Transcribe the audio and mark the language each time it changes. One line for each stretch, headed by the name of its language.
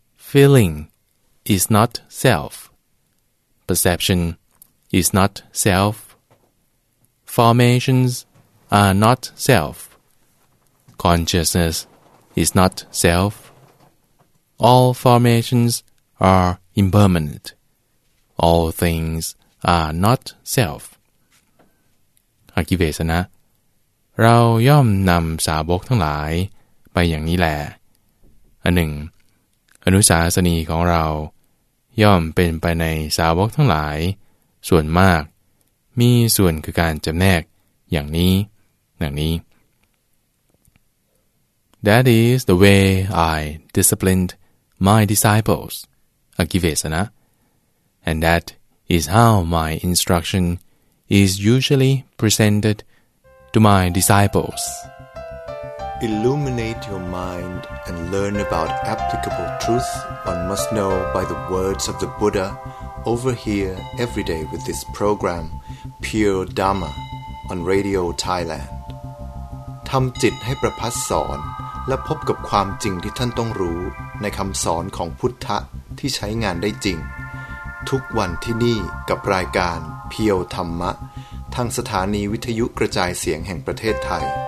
English: Feeling is not self. Perception is not self. Formations are not self. Consciousness is not self. All formations are impermanent. All things are not self.
Thai: อกิเวสนะเราย่อมนำสาวกทั้งหลายไปอย่างนี้แล อันหนึ่งอนุสาสนีของเราย่อมเป็นไปในสาวกทั้งหลายส่วนมากมีส่วนคือการจำแนกอย่างนี้ดังนี้
English: That is the way I disciplined my disciples, Akivesana, and that is how my instruction is usually presented to my disciples. Illuminate your mind and learn about applicable truth one must know by the words of the Buddha over here every day with this program, Pure Dharma, on Radio Thailand.
Thai: ทำจิตให้ประพัสสอนและพบกับความจริงที่ท่านต้องรู้ในคำสอนของพุทธะที่ใช้งานได้จริงทุกวันที่นี่กับรายการเพียวธรรมะทางสถานีวิทยุกระจายเสียงแห่งประเทศไทย